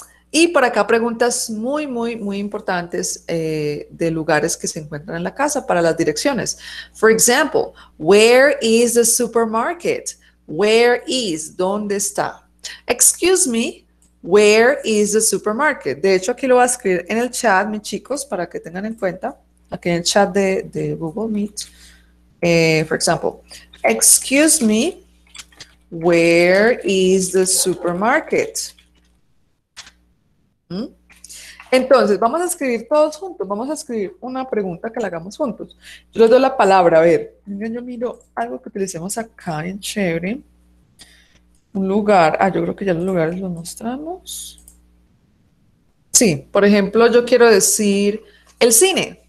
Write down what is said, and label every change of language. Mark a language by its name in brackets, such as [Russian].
[Spanish] Y por acá preguntas muy, muy, muy importantes de lugares que se encuentran en la casa para las direcciones. [English] For example, where is the supermarket? Where is, ¿dónde está? Excuse me, where is the supermarket? [Spanish] De hecho, aquí lo voy a escribir en el chat, mis chicos, para que tengan en cuenta. Aquí en el chat de Google Meet. [English] For example, excuse me, where is the supermarket? [Spanish] Entonces, vamos a escribir todos juntos. Vamos a escribir una pregunta que la hagamos juntos. Yo les doy la palabra. A ver, yo miro algo que utilicemos acá en chévere. Un lugar. Ah, yo creo que ya los lugares los mostramos. Sí, por ejemplo, yo quiero decir el cine.